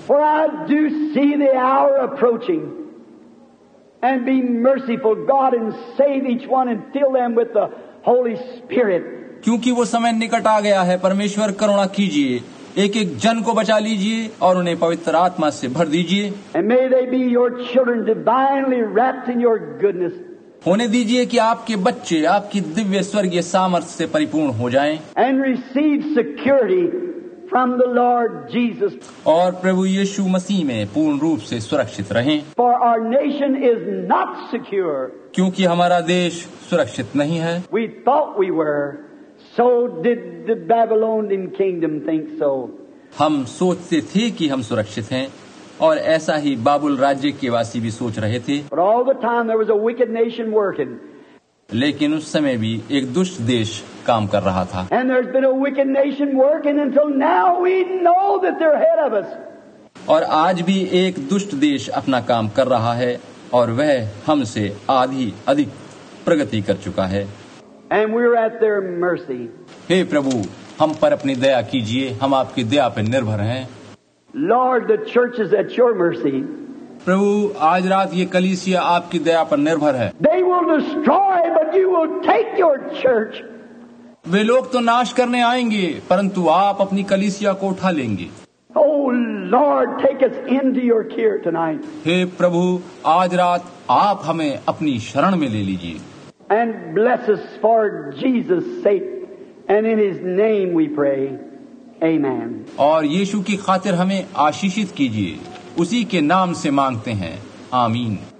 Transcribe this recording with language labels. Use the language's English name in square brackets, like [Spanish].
[English] For I do see the hour approaching. And be merciful, God, and save each one and fill them with the Holy Spirit. [Hindi] क्योंकि वो समय निकट आ गया है, परमेश्वर करुणा कीजिए, एक-एक जन को बचा लीजिए और उन्हें पवित्र आत्मा से भर दीजिए. [English] And may they be your children, divinely wrapped in your goodness. [Hindi] होने दीजिए कि आपके बच्चे आपकी दिव्य स्वर्गीय सामर्थ से परिपूर्ण हो जाएं. [English] And receive security from the Lord Jesus. [Hindi] और प्रभु यीशु मसीह में पूर्ण रूप से सुरक्षित रहें. [English] For our nation is not secure. [Hindi] क्योंकि हमारा देश सुरक्षित नहीं है. [English] We thought we were, so did the Babylonian kingdom think so. [Hindi] हम सोचते थे कि हम सुरक्षित हैं और ऐसा ही बाबुल राज्य के वासी भी सोच रहे थे. [English] But all the time there was a wicked nation working. [Hindi] लेकिन उस समय भी एक दुष्ट देश काम कर रहा था. [English] And there's been a wicked nation working until now we know that they're ahead of us. [Hindi] और आज भी एक दुष्ट देश अपना काम कर रहा है और वह हमसे आधी अधिक प्रगति कर चुका है. [English] And we're at their mercy. [Hindi] हे प्रभु, हम पर अपनी दया कीजिए, हम आपकी दया पर निर्भर हैं. [English] Lord, the church is at your mercy. [Hindi] प्रभु, आज रात ये कलीसिया आपकी दया पर निर्भर है. [English] They will destroy, but you will take your church. [Hindi] वे लोग तो नाश करने आएंगे परंतु आप अपनी कलीसिया को उठा लेंगे. [English] Oh Lord, take us into your care tonight. [Hindi] हे प्रभु, आज रात आप हमें अपनी शरण में ले लीजिए. [English] And bless us for Jesus' sake, and in his name we pray. Amen. [Hindi] और यीशु की खातिर हमें आशीषित कीजिए, उसी के नाम से मांगते हैं, आमीन.